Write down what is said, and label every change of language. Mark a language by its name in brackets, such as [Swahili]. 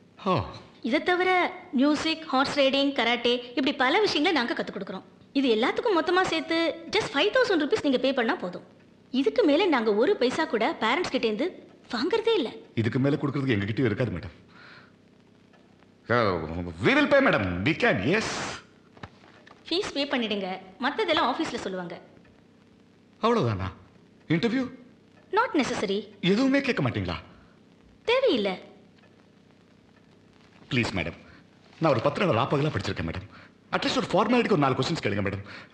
[Tamil] ஓ, இதைத் தவிர music, horse riding, karate இப்படி பல விஷயங்களை நாங்க கத்து கொடுக்கறோம். இது எல்லாத்துக்கும் மொத்தமா சேர்த்து ஜஸ்ட் 5000 ரூபீஸ் நீங்க பே பண்ணா போதும். இதுக்கு மேல நாங்க ஒரு பைசா கூட பேரண்ட்ஸ் கிட்ட இருந்து வாங்குறதே இல்ல. இதுக்கு மேல கொடுக்கிறதுக்கு எங்க கிட்ட இருக்காது madam. [English] We will pay madam, we can, yes. [Tamil] Fees pay பண்ணிடுங்க, மத்ததெல்லாம் ஆபீஸ்ல சொல்லுவாங்க. அவ்வளவுதானா? இன்டர்வியூ? [English] Not necessary. [Tamil] எதுவுமே கேட்க மாட்டீங்களா? தேவையில்லை. ப்ளீஸ் மேடம், நான் ஒரு 10 ராப்பகலாம் படிச்சிருக்கேன் மேடம். அட்லீஸ்ட் ஒரு ஃபார்மாலிட்டிக்கு ஒரு 4 க்வெஸ்சன்ஸ் கேளுங்க மேடம்.